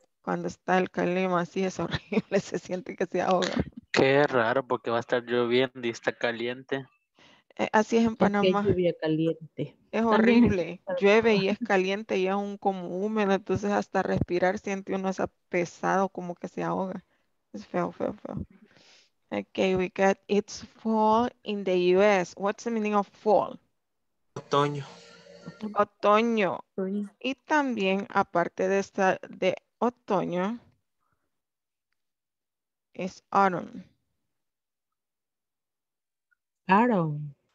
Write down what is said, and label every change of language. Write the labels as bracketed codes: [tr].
[es] Cuando está el clima así es horrible, se siente que se ahoga. Qué raro, porque va a estar lloviendo y está caliente. Así es en Panamá. Es lluvia caliente. Es horrible. Llueve y es caliente y es un como húmedo. Entonces hasta respirar siente uno esa pesado como que se ahoga. Es feo, feo, feo. [en] Okay, we got it's fall in the U.S. What's the meaning of fall? [es] Otoño. Otoño. Y también, aparte de esta de otoño, es autumn. [en] Autumn.